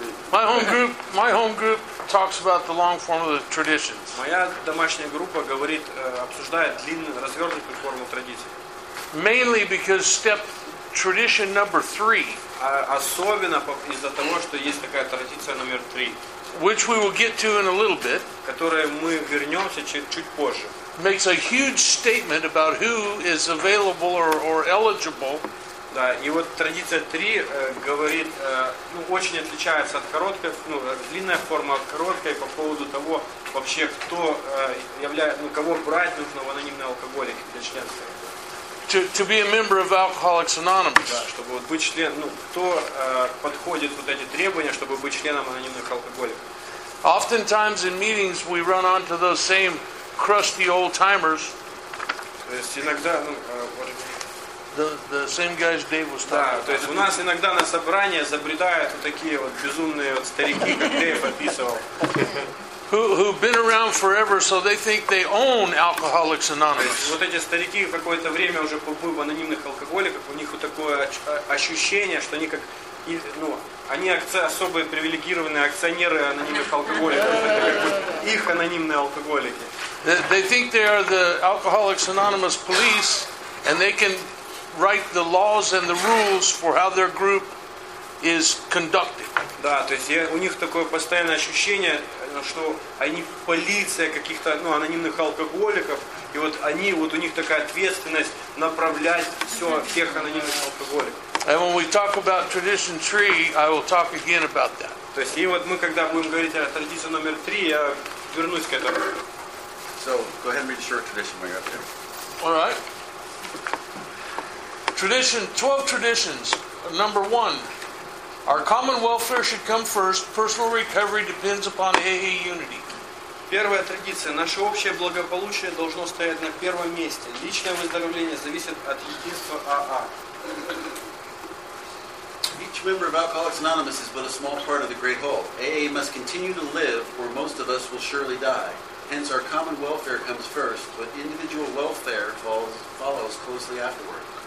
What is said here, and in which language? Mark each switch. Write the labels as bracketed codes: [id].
[en] My home group talks about the long form of the traditions. [ru] Моя домашняя группа говорит, обсуждает длинную развернутую форму традиций. [en] Mainly because step tradition number three. [ru] Особенно из-за того, что есть такая традиция номер три. [en] Which we will get to in a little bit. [ru] Которая мы вернемся чуть позже. [en] Makes a huge statement about who is available or eligible. [ru] Да, и вот традиция 3 говорит, ну, очень отличается от короткой, ну, длинная форма от короткой по поводу того, вообще, кто является, ну, кого брать нужно в анонимный алкоголик для членства. [en] To be a member of Alcoholics Anonymous. [ru] Да, чтобы вот быть член, ну, кто подходит вот эти требования, чтобы быть членом анонимных алкоголиков. [en] Oftentimes in meetings we run onto those same crusty old-timers. [ru] То есть иногда, ну, вот [en] The same guys Dave was talking about. [ru] Да, то есть у нас иногда на собрание забредают вот такие вот безумные вот старики, как Дэйв описывал. [en] Who've been around forever, so they think they own Alcoholics Anonymous. [ru] То есть вот эти старики какое-то время уже побыли в анонимных алкоголиках, у них вот такое ощущение, что они как, ну, они особые привилегированные акционеры анонимных алкоголиков. Это как вот их анонимные алкоголики. [en] They think they are the Alcoholics Anonymous police, and they can write the laws and the rules for how their group is conducted. [ru] Да, то есть у них такое постоянное ощущение, что они полиция каких-то, ну, анонимных алкоголиков, и вот они, вот у них такая ответственность направлять все всех анонимных алкоголиков. [en] And when we talk about tradition three, I will talk again about that. [ru] То есть, и вот мы когда будем говорить о традиции номер три, я вернусь к этому. [en] So, go ahead and read the short tradition while you're up here. All right. Tradition, 12 traditions. Number one, our common welfare should come first. Personal recovery depends upon AA unity. [ru] Первая традиция. Наше общее благополучие должно стоять на первом месте. Личное выздоровление зависит от единства АА. [en] Each member of Alcoholics Anonymous is but a small part of the great whole. AA must continue to live or most of us will surely die. Hence, our common welfare comes first, but individual welfare follows closely afterward.